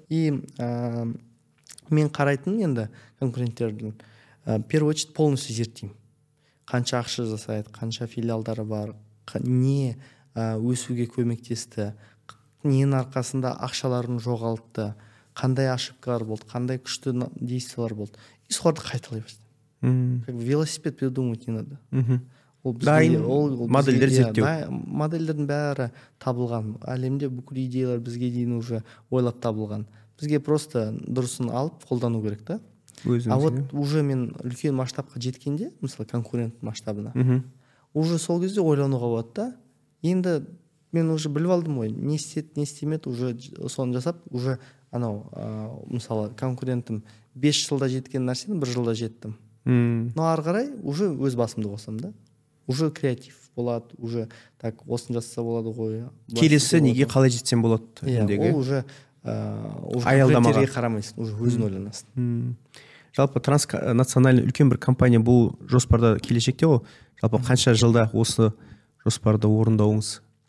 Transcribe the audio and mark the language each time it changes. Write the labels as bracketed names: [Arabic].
[Kazakh] И мен қарайтын енді конкуренттердің, [Russian] первый очередь полностью [Kazakh] зерттеймін. Қанша ақша жасайды, қанша филиалдары бар, не өсуге көмектесті, ненің арқасында ақшаларын жоғалтты, қандай ошибкалар болды, қандай күшті действиялар болды. И соларды қайталай бастадым. [Russian] Как велосипед придумать не надо. [Kazakh] Дайын модельдер зерттеу. Модельдердің бәрі табылған. Әлемде бүкіл идеялар бізге дейін уже ойлап табылған. Бізге просто дұрысын алып қолдану керек, да? Өзіңізге. А вот уже мен үлкен масштабқа жеткенде, мысалы конкурент масштабына, уже сол кезде ойлануға болады, да? Енді мен уже біліп алдым ғой, не істеді, не істемеді, уже соны жасап, уже анау, мысалы конкурентім 5 жылда жеткен нәрсені 1 жылда жеттім. Но ары қарай уже өз басымды қосам, да? Уже креатив болады, уже так осын жасаса болады ғой. Келесі неге қалай жетсем болады деген. Ол уже айылдамаға қарамайсың, уже өзің ойланасың. Жалпы транснациональный үлкен бір компания бұл жоспарда келешекте ғой. Жалпы қанша жылда осы жоспарды орындауыңыз?